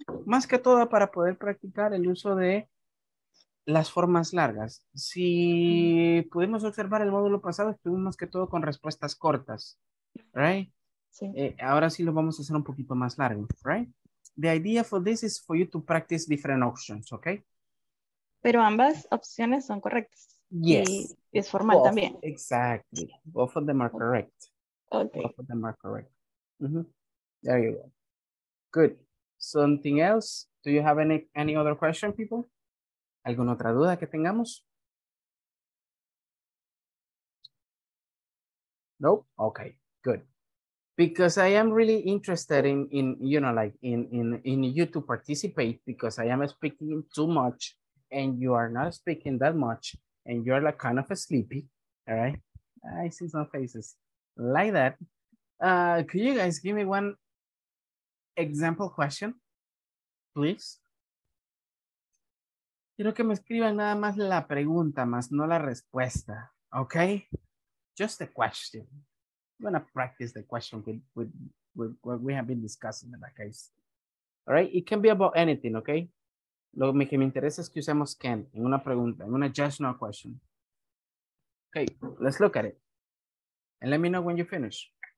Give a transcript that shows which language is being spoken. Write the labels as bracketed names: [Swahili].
[Spanish] Más que todo para poder practicar el uso de las formas largas. Si pudimos observar el módulo pasado, estuvimos más que todo con respuestas cortas, right? Sí. Ahora sí lo vamos a hacer un poquito más largo, right? [English] The idea for this is for you to practice different options, okay? [Spanish] Pero ambas opciones son correctas. Yes. Es formal [English] both, [Spanish] también. [English] Exactly. Both of them are correct. Okay. Both of them are correct. Mm-hmm. There you go. Good. Something else? Do you have any other question, people? [Spanish] ¿Alguna otra duda que tengamos? [English] Nope. Okay. Good. Because I am really interested in you to participate, because I am speaking too much and you are not speaking that much and you're like kind of sleepy. All right. I see some faces like that. Could you guys give me one example question, please? [Spanish] Quiero que me escriban nada más la pregunta, más no la respuesta. [English] Okay. Just the question. I'm gonna practice the question with what we have been discussing in that case. All right, it can be about anything, okay? [Spanish] Lo que me interesa es que usemos can en una pregunta, en una just no question. [English] Okay, let's look at it. And let me know when you finish.